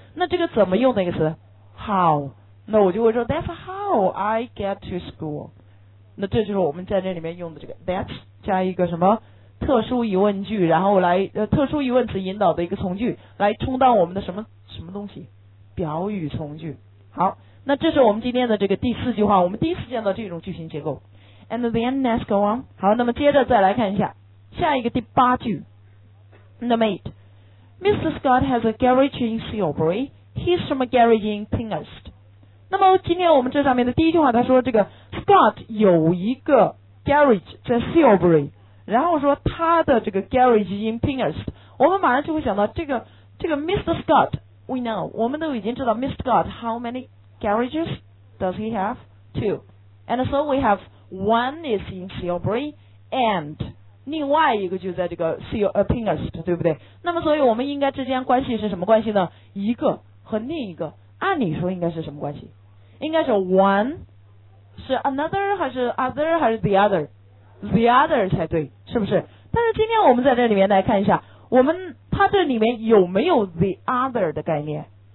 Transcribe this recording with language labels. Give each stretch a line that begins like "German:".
Chinese: 那这个怎么用那个词 how， 那我就会说
English: that's how I get to school，
Chinese: 那这就是我们在这里面用的这个 that's 加一个什么特殊疑问句，然后来特殊疑问词引导的一个从句来充当我们的什么什么东西，表语从句。好，那这是我们今天的这个第四句话，我们第一次见到这种句型结构。
English: and then let's go on，
Chinese: 好，那么接着再来看一下下一个第八句。
English: Number eight， Mr. Scott has a garage in Silbury. He's from a garage in Pinhurst.
Chinese: 那么今天我们这上面的第一句话，他说这个 Scott 有一个 garage 在 Silbury， 然后说他的这个 garage in Pinhurst， 我们马上就会想到这个 Mr.
English: Scott， we know，
Chinese: 我们都已经知道
English: Mr. Scott how many garages does he have? Two. And so we have one is in Silbury and
Chinese: 另外一个就在这个
English: Pinhurst， 对不对？
Chinese: 那么所以我们应该之间关系是什么关系呢？一个和另一个按理说应该是什么关系？应该是 one 是 another 还是 other 还是 the other 才对，是不是？但是今天我们在这里面来看一下，我们它这里面有没有 the other 的概念？